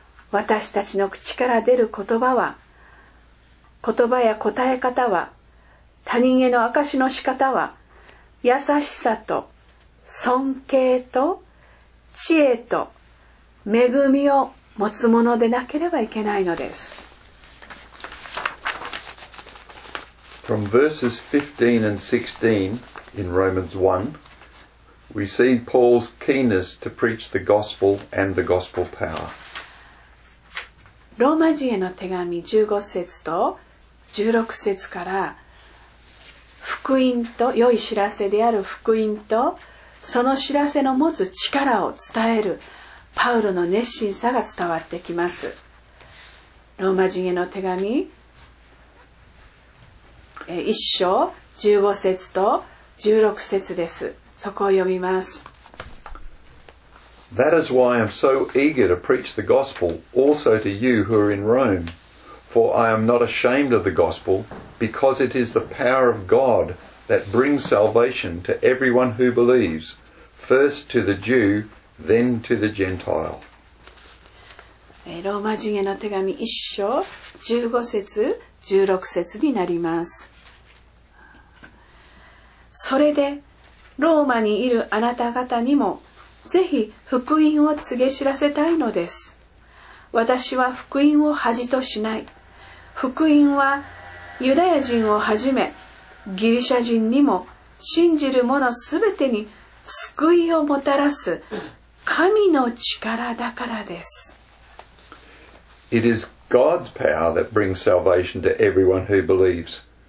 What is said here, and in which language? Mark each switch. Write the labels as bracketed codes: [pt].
[ja] 私たちの口から出る言葉は、言葉や答え方は、他人への証の仕方は、優しさと尊敬と知恵と恵みを持つものでなければいけないのです。 [en] From verses 15 and 16 in Romans 1, we see Paul's keenness to preach the gospel and the gospel power. [ja] ローマ人への手紙15節と16節から、福音と良い知らせである福音とその知らせの持つ力を伝えるパウロの熱心さが伝わってきます。ローマ人への手紙1章15節と16節です。そこを読みます。 [en] That is why I am so eager to preach the gospel also to you who are in Rome. For I am not ashamed of the gospel, because it is the power of God that brings salvation to everyone who believes, first to the Jew, then to the Gentile. [ja] ローマ人への手紙1章15節16節になります。それでローマにいるあなた方にもぜひ福音を告げ知らせたいのです。私は福音を恥としない。福音はユダヤ人をはじめギリシャ人にも信じる者すべてに救いをもたらす神の力だからです。 [en] It is God's power that brings salvation to everyone who believes.